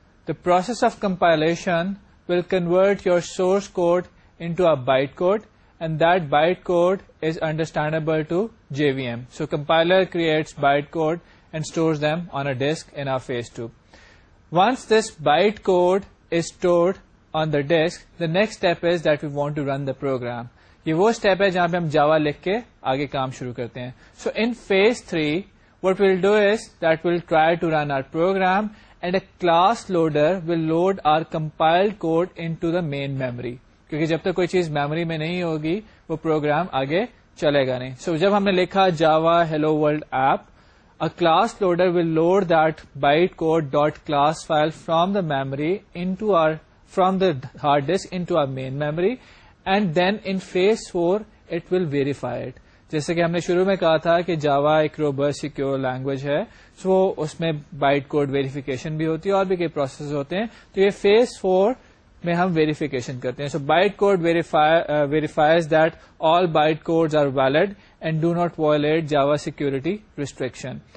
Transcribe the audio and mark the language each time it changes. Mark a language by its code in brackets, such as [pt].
[en] The process of compilation will convert your source code into a bytecode, and that bytecode is understandable to JVM. So compiler creates bytecode and stores them on a disk in our phase 2. Once this bytecode is stored on the disk, the next step is that we want to run the program. [ur] یہ وہ step ہے جہاں پہ ہم جاوا لکھ کے آگے کام شروع کرتے ہیں. [en] so in phase 3 what will do is that will try to run our program and a class loader will load our compiled code into the main memory, [ur] کیونکہ جب تک کوئی چیز میموری میں نہیں ہوگی وہ پروگرام آگے چلے گا نہیں. سو جب ہم نے لکھا جاوا hello world app, [en] A class loader will load that byte code dot class file from the memory from the hard disk into our main memory. And then in phase 4, it will verify it. [ur] جیسے کہ ہم نے شروع میں کہا تھا کہ جاوا ایک روبسٹ سیکیور لینگویج ہے, سو اس میں بائٹ کوڈ ویریفیکیشن بھی ہوتی ہے اور بھی کئی پروسیس ہوتے ہیں. تو یہ فیز 4 میں ہم ویریفیکیشن کرتے ہیں. [en] So byte code verifies that all byte codes are valid and do not violate Java security restriction.